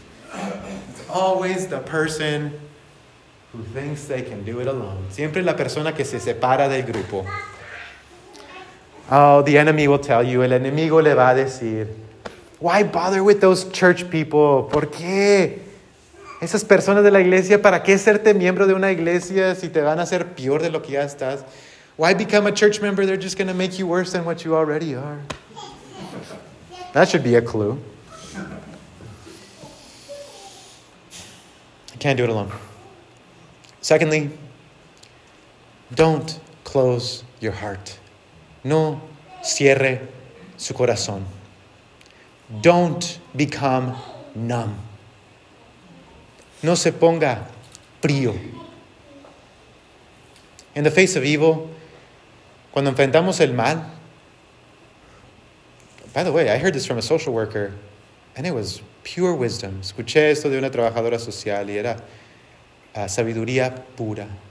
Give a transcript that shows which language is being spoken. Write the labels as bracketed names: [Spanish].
[English] It's always the person who thinks they can do it alone. [Spanish] Siempre la persona que se separa del grupo. [English] Oh, the enemy will tell you. [Spanish] El enemigo le va a decir. [English] Why bother with those church people? [Spanish] ¿Por qué? esas personas de la iglesia, ¿para qué serte miembro de una iglesia si te van a hacer peor de lo que ya estás? [English] Why become a church member? They're just going to make you worse than what you already are. That should be a clue. I can't do it alone. Secondly, don't close your heart. [Spanish] No cierre su corazón. [English] Don't become numb. [Spanish] No se ponga frío. [English] In the face of evil, [Spanish] cuando enfrentamos el mal, [English] by the way, I heard this from a social worker, and it was pure wisdom. [Spanish] Escuché esto de una trabajadora social y era sabiduría pura.